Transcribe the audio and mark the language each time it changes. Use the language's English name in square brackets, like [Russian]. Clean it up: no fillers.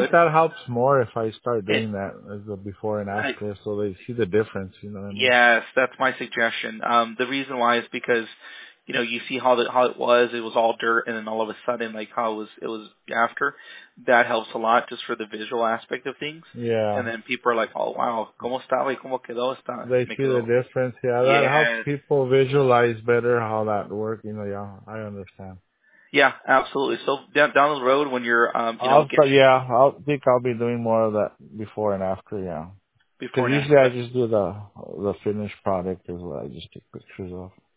[English] I think that helps more if I start doing that as a before and after, so they see the difference, you know what I mean? Yes, that's my suggestion. The reason why is because, you know, you see how it was. It was all dirt, and then all of a sudden, like, how it was after. That helps a lot just for the visual aspect of things. Yeah. And then people are like, oh, wow, [Spanish] ¿cómo estaba y cómo quedó esta? [English] They see the difference, yeah. That helps people visualize better how that worked, you know, yeah, I understand. Yeah, absolutely. So down the road when you're, I'll be doing more of that before and after, yeah. Before and usually after. I just do the finished product is what I just take pictures of.